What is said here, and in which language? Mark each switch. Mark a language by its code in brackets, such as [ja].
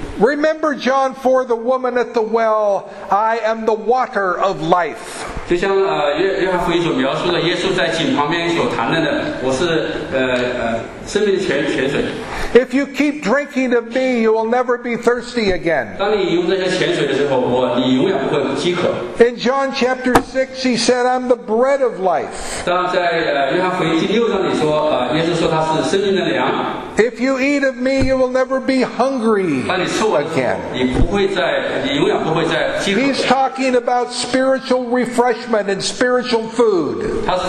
[en] Remember John 4, the woman at the well, I am the water of life. [zh] 就像约翰福音所描述的，耶稣在井旁边所谈论的，我是生命的泉水。 [en] If you keep drinking of me, you will never be thirsty again. [zh] 当你用这些泉水的时候，你永远不会饥渴。 [en] In John chapter 6, he said, I'm the bread of life. [zh] 当在约翰福音第六章里说，耶稣说他是生命的粮。 [en] If you eat of me, you will never be hungry again. He's talking about spiritual refreshment and spiritual food.